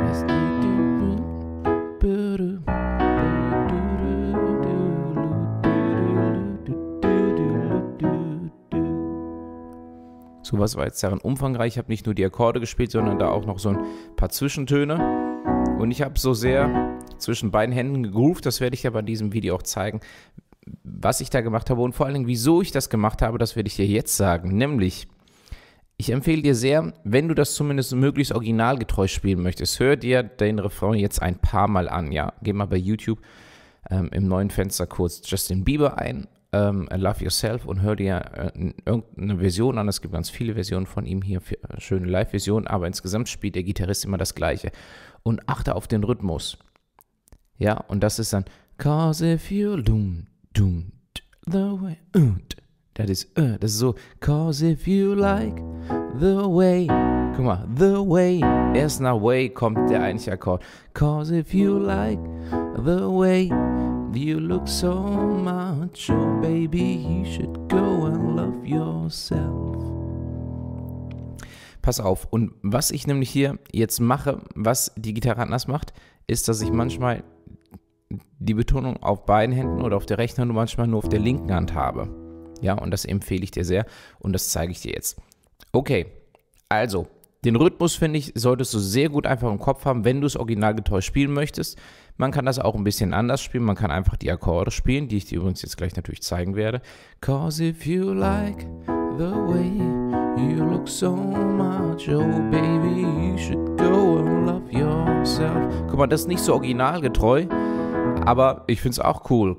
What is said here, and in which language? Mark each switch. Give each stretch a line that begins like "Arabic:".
German: Yes, do do do do do do do do do do do do do do do do do do do do. So was war jetzt darin umfangreich. Ich habe nicht nur die Akkorde gespielt, sondern da auch noch so ein paar Zwischentöne. Und ich habe so sehr zwischen beiden Händen gegroovt. Das werde ich ja bei diesem Video auch zeigen. Was ich da gemacht habe und vor allen Dingen, wieso ich das gemacht habe, das werde ich dir jetzt sagen. Nämlich, ich empfehle dir sehr, wenn du das zumindest möglichst originalgetreu spielen möchtest, hör dir den Refrain jetzt ein paar Mal an, ja. Geh mal bei YouTube im neuen Fenster kurz Justin Bieber ein, Love Yourself, und hör dir irgendeine Version an. Es gibt ganz viele Versionen von ihm hier, schöne Live-Versionen, aber insgesamt spielt der Gitarrist immer das Gleiche. Und achte auf den Rhythmus. Ja, und das ist dann
English: 'cause if you doom. Don't the way,
German: und
English: that is,
German: das ist so,
English: 'cause if you like the way,
German: guck mal,
English: the way,
German: erst nach way kommt der eigentliche Akkord.
English: 'Cause if you like the way you look so much, oh baby, you should go and love yourself.
German: Pass auf, und was ich nämlich hier jetzt mache, was die Gitarre anders macht, ist, dass ich manchmal die Betonung auf beiden Händen oder auf der rechten Hand und manchmal nur auf der linken Hand habe. Ja, und das empfehle ich dir sehr und das zeige ich dir jetzt. Okay, also, den Rhythmus, finde ich, solltest du sehr gut einfach im Kopf haben, wenn du es originalgetreu spielen möchtest. Man kann das auch ein bisschen anders spielen. Man kann einfach die Akkorde spielen, die ich dir übrigens jetzt gleich natürlich zeigen werde.
English: 'Cause if you like the way you look so much, oh baby, you should go and love yourself.
German: Guck mal, das ist nicht so originalgetreu. Aber ich find's auch cool.